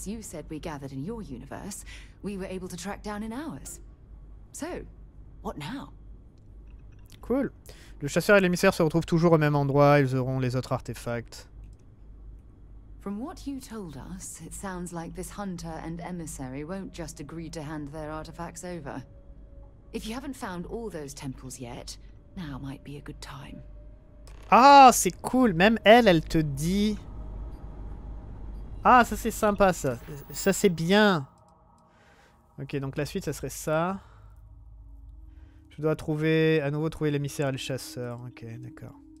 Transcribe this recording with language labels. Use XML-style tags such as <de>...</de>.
<en>You said we gathered in your universe, we were able to track down in ours. So, what now? Cool.</en> <fr>Le chasseur et l'émissaire se retrouvent toujours au même endroit, ils auront les autres artefacts.</fr> <en>From what you told us, it sounds like this hunter and emissary won't just agree to hand their artifacts over. If you haven't found all those temples yet, now might be a good time.</en> <fr>Ah, c'est cool, même elle, elle te dit... Ah, ça c'est sympa ça. Ça c'est bien. Ok, donc la suite ça serait ça. Je dois trouver à nouveau trouver l'émissaire et le chasseur. Ok, d'accord.</fr>